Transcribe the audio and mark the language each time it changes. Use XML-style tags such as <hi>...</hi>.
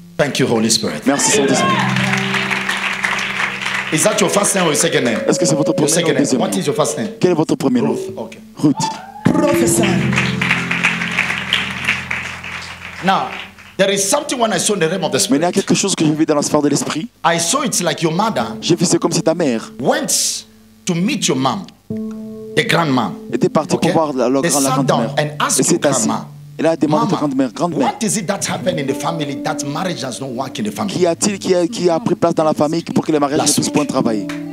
<en>Thank you, Holy Spirit.</en> <fr>Merci, Saint-Esprit.</fr> <en>Is that your first name or your second name?</en> <fr>Est-ce que c'est votre premier</fr> <en>second</en> <fr>ou deuxième</fr> <en>name? What is your first name?</en> <fr>Quel est votre premier</fr> <en>Ruth.</en> <fr>Nom?</fr> <en>Okay. Ruth. Professor. Now, there is something when I saw in the realm of the spirit.</en> <fr>Mais il y a quelque chose que j'ai vu dans la sphère de l'esprit.</fr> <en>I saw it like your mother.</en> <fr>J'ai vu c'est comme si ta mère.</fr> <en>Went to meet your mom, the grandma.</en> <fr>Était partie okay? pour voir la grand-mère.</fr> <en>They sat down and asked your grandma.</en> <fr>Elle a demandé à grand-mère, grand-mère.</fr> <en>What is it that happened in the family that marriage does not work in the family?</en> <fr>Qui a-t-il qui a pris place dans la famille pour que le mariage ne puisse pas travailler?</fr>